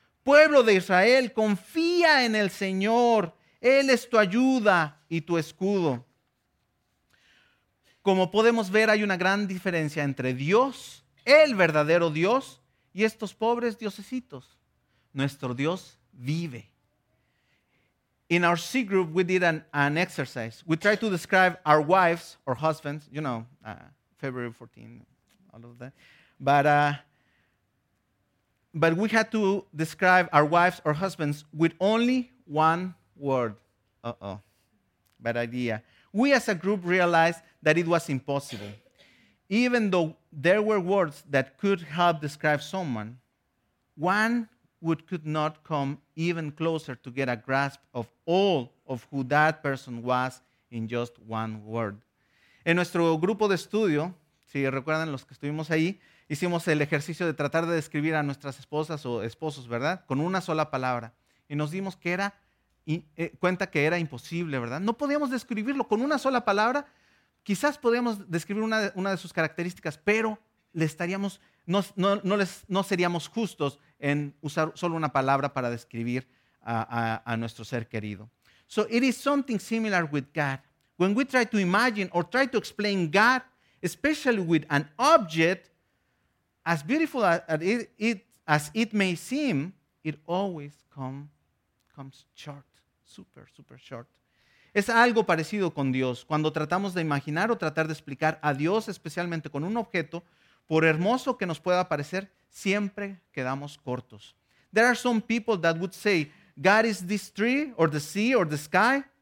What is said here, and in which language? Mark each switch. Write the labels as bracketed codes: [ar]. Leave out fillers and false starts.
[es] Pueblo de Israel, confía en el Señor. Él es tu ayuda y tu escudo. Como podemos ver, hay una gran diferencia entre Dios, el verdadero Dios, y estos pobres diosesitos. Nuestro Dios vive. [en] In our C group, we did an exercise. We tried to describe our wives or husbands, you know, February 14, all of that. But we had to describe our wives or husbands with only one word. Uh-oh, bad idea. We as a group realized that it was impossible. Even though there were words that could help describe someone, one word could not come even closer to get a grasp of all of who that person was in just one word. [es] En nuestro grupo de estudio, si recuerdan los que estuvimos ahí, hicimos el ejercicio de tratar de describir a nuestras esposas o esposos, ¿verdad? Con una sola palabra. Y nos dimos cuenta que era imposible, ¿verdad? No podíamos describirlo con una sola palabra. Quizás podíamos describir una de sus características, pero no seríamos justos en usar solo una palabra para describir a nuestro ser querido. [en] So it is something similar with God. When we try to imagine or try to explain God, especially with an object, as beautiful as it may seem, it always comes short, super, super short. [es] Es algo parecido con Dios. Cuando tratamos de imaginar o tratar de explicar a Dios, especialmente con un objeto, por hermoso que nos pueda parecer, siempre quedamos cortos. [en] There are some people that would say, God is this tree, or the sea, or the sky.